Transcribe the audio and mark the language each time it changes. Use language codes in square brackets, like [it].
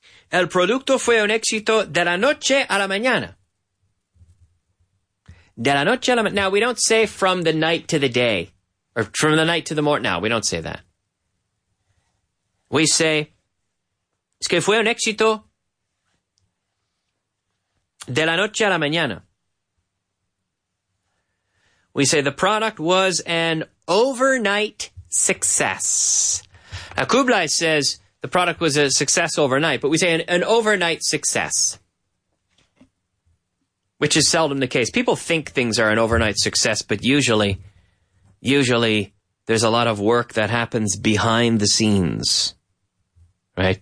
[es] El producto fue un éxito de la noche a la mañana. De la noche a la mañana. [en] Now, we don't say from the night to the day, or from the night to the morning. No, we don't say that. We say, [es] es que fue un éxito de la noche a la mañana. [en] We say the product was an overnight success. Now, Kublai says the product was a success overnight, but we say an overnight success, which is seldom the case. People think things are an overnight success, but usually there's a lot of work that happens behind the scenes, right?